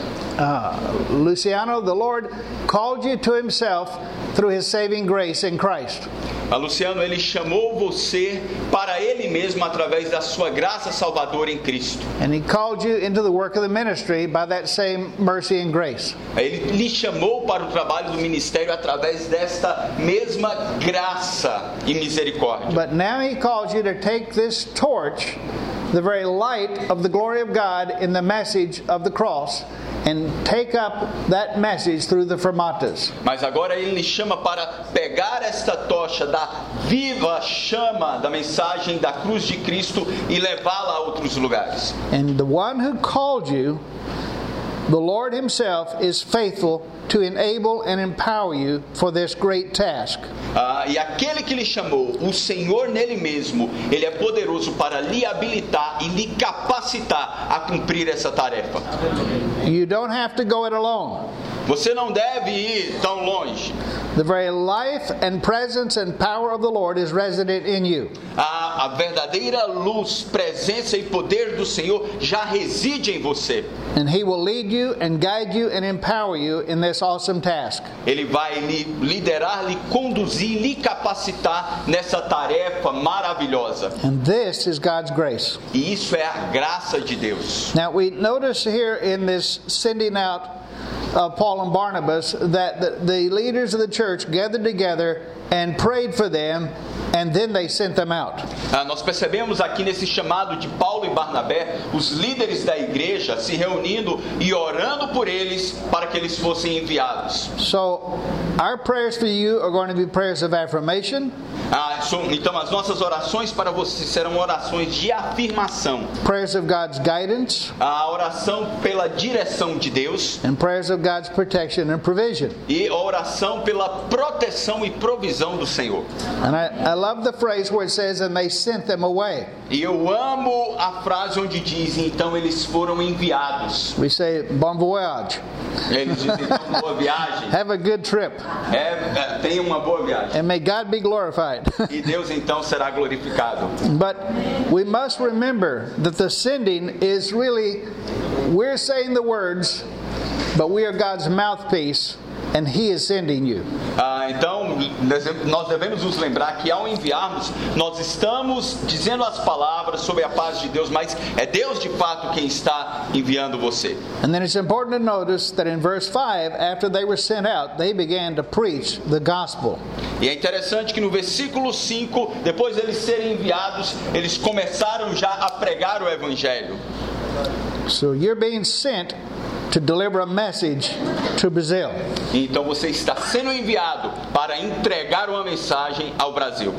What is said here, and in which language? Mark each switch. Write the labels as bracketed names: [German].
[English] Luciano, the Lord called you to himself through his saving grace in Christ. [Portuguese] Luciano, ele chamou você para ele mesmo através da sua graça salvadora em Cristo. [English] And he called you into the work of the ministry by that same mercy and grace. [Portuguese] Ele lhe chamou para o trabalho do ministério através desta mesma graça e misericórdia. [English] But now he calls you to take this torch, the very light of the glory of God in the message of the cross, and take up that message through the Fermatas. [Portuguese] Mas agora ele lhe chama para pegar esta tocha da viva chama da mensagem da cruz de Cristo e levá-la a outros lugares. [English] And the one who called you, the Lord himself, is faithful to enable and empower you for this great task. [Portuguese] E aquele que lhe chamou, o Senhor nele mesmo, ele é poderoso para lhe habilitar e lhe capacitar a cumprir essa tarefa. Amém. [English] You don't have to go it alone. [Portuguese] Você não deve ir tão longe. [English] The very life and presence and power of the Lord is resident in you. [Portuguese] A verdadeira luz, presença e poder do Senhor já reside em você. [English] And He will lead you and guide you and empower you in this awesome task. [Portuguese] Ele vai lhe liderar, lhe conduzir, lhe capacitar nessa tarefa maravilhosa. [English] And this is God's grace. [Portuguese] E isso é a graça de Deus. [English] Now we notice here in this sending out of Paul and Barnabas that the leaders of the church gathered together and prayed for them and then they sent them out. [Portuguese] Nós percebemos aqui nesse chamado de Paulo e Barnabé os líderes da igreja se reunindo e orando por eles para que eles fossem enviados. [English] So our prayers for you are going to be prayers of affirmation. [Portuguese] Então as nossas orações para vocês serão orações de afirmação. [English] Prayers of God's guidance. [Portuguese] A oração pela direção de Deus. [English] And prayers of God's protection and provision. [Portuguese] E oração pela proteção e provisão do Senhor. [English] And I love the phrase where it says, and they sent them away. [Portuguese] E eu amo a frase onde diz, então eles foram enviados. [English] We say, bon voyage. [Portuguese] Eles dizem, então, boa viagem. [English] Have a good trip. [Portuguese] Tenha uma boa viagem. [English] And may God be glorified. [Portuguese] E Deus então será glorificado. [English] But we must remember that the sending is really, we're saying the words, but we are God's mouthpiece. And He is sending you. [Portuguese] Então, nós devemos nos lembrar que ao enviarmos, nós estamos dizendo as palavras sobre a paz de Deus, mas é Deus de fato quem está enviando você. [English] And then it's important to notice that in verse 5, after they were sent out, they began to preach the gospel. [Portuguese] E é interessante que no versículo 5, depois de eles serem enviados, eles começaram já a pregar o evangelho. [English] So you're being sent to deliver a message to Brazil. [Portuguese] Então você está sendo enviado para entregar uma mensagem ao Brasil.